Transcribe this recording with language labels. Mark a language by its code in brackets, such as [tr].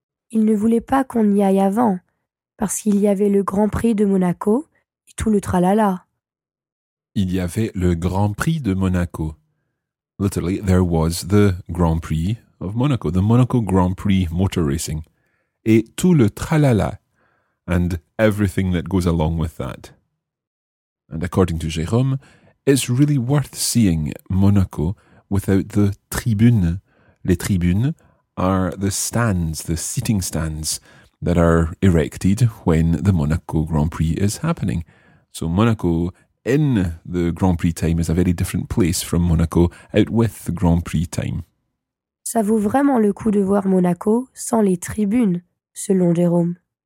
[fr] Il ne voulait pas qu'on y aille avant, parce qu'il y avait le Grand Prix de Monaco et tout le tralala. Il y avait le Grand Prix de Monaco. [en] Literally, there was the Grand Prix of Monaco, the Monaco Grand Prix motor racing. [fr] Et tout le tralala, [en] and everything that goes along with that. And according to Jérôme, it's really worth seeing Monaco without the tribunes. Les tribunes are the stands, the seating stands, that are erected when the Monaco Grand Prix is happening. So Monaco in the Grand Prix time is a very different place from Monaco out with the Grand Prix time. [fr] Ça vaut vraiment le coup de voir Monaco sans les tribunes, selon Jérôme.